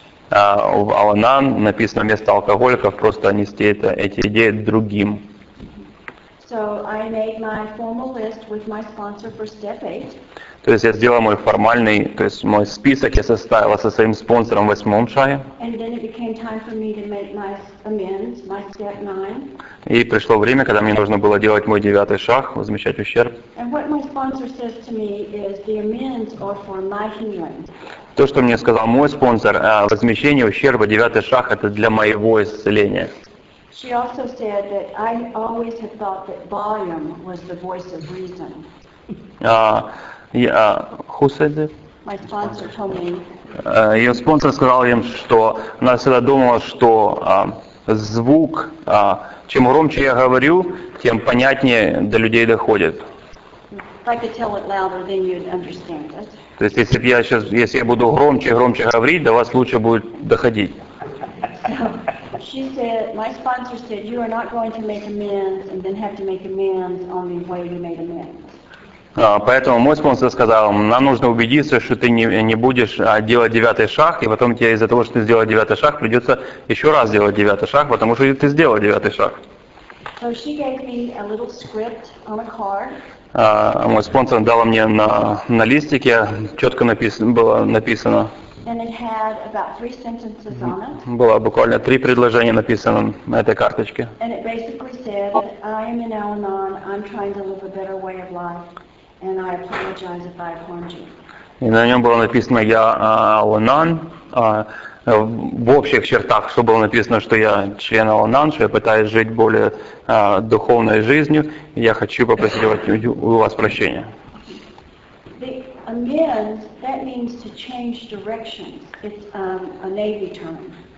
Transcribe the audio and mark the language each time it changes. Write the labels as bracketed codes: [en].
[ru] В Аланан написано вместо алкоголиков просто нести эти идеи другим. [en] So I made my formal list with my sponsor for step 8. [ru] То есть я сделал мой список я составил со своим спонсором в 8-м шаге. [en] And then it became time for me to make my amends, my step 9. [ru] И пришло время, когда мне нужно было делать мой 9-й шаг, возмещать ущерб. [en] And what my sponsor says to me is the amends are for my healing. [ru] То, что мне сказал мой спонсор, возмещение ущерба, 9-й шаг, это для моего исцеления. [en] She also said that I always had thought that volume was the voice of reason. Who said it? My sponsor told me. [ru] Ее спонсор сказал им, что она всегда думала, что звук, чем громче я говорю, тем понятнее до людей доходит. [en] If I could tell it louder, then you'd understand it. [ru] То есть если я буду громче говорить, до вас лучше будет доходить. [en] She said, my sponsor said, you are not going to make amends and then have to make amends on the way you made amends. [ru] Поэтому мой спонсор сказал, нам нужно убедиться, что ты не будешь делать 9-й шаг, и потом тебе из-за того, что ты сделал 9-й шаг, придется еще раз делать 9-й шаг, потому что ты сделал 9-й шаг. [en] So she gave me a little script on a card. [ru] Мой спонсор дал мне на листике, четко было написано. [en] And it had about 3 sentences on it. [ru] Было буквально 3 предложения написано на этой карточке. [en] And it basically said, I am in Al-Anon, I'm trying to live a better way of life, and I apologize if I have harmed you. [ru] И на нем было написано, я Al-Anon, в общих чертах, что было написано, что я член Al-Anon, что я пытаюсь жить более духовной жизнью, и я хочу попросить у вас прощения. [en] Amends, that means to change directions. It's a Navy term.